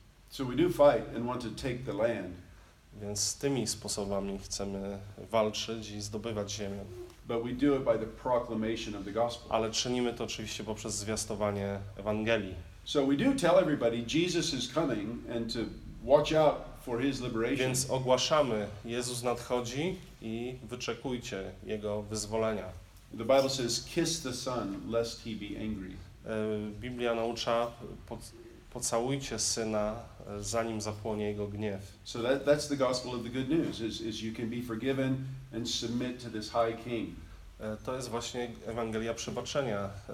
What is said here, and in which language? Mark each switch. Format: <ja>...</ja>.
<en>So we do fight and want to take the land.</en> <pl>Więc tymi sposobami chcemy walczyć i zdobywać ziemię.</pl> <en>But we do it by the proclamation of the gospel.</en> <pl>Ale czynimy to oczywiście poprzez zwiastowanie Ewangelii.</pl> <en>So we do tell everybody Jesus is coming and to watch out for his liberation.</en> <pl>Więc ogłaszamy, Jezus nadchodzi i wyczekujcie jego wyzwolenia.</pl> <en>The Bible says kiss the son lest he be angry.</en> <pl>Biblia naucza pocałujcie syna, zanim zapłonie jego gniew.</pl> <en>So that's the gospel of the good news, is you can be forgiven and submit to this high king.</en> <pl>To jest właśnie Ewangelia przebaczenia.</pl>